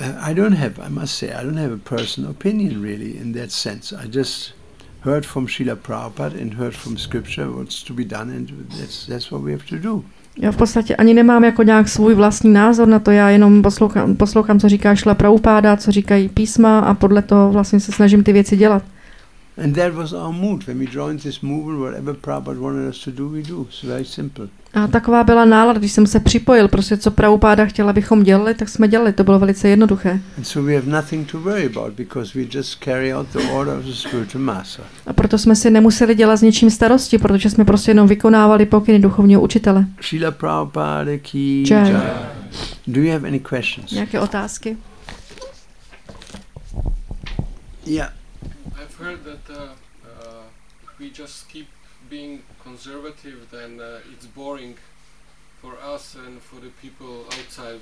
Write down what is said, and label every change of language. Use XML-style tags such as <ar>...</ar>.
<en>I don't have a personal opinion really in that sense. I just heard from Srila Prabhupada and heard from scripture what's to be done and that's what we have to do.</en> <cs>Já v podstatě ani nemám jako nějak svůj vlastní názor na to, já jenom poslouchám, co říká Srila Prabhupada, co říkají písma a podle toho vlastně se snažím ty věci dělat.</cs> <en>And that was our mood when we joined this movement, whatever Prabhupada wanted us to do, we do. It's very simple.</en> <cs>A taková byla nálada, když jsem se připojil, prostě co Prabhupada chtěl, abychom dělali, tak jsme dělali, to bylo velice jednoduché.</cs> <en>And so we have nothing to worry about because we just carry out the order of the spiritual master.</en> <cs>A proto jsme si nemuseli dělat s ničím starosti, protože jsme prostě jenom vykonávali pokyny duchovního učitele.</cs> <hi>Srila Prabhupada ki jai.</hi> <en>Do you have any questions?</en> <cs>Nějaké otázky?</cs> <en>Yeah. I've heard that if we just keep being conservative, then it's boring for us and for the people outside.</en>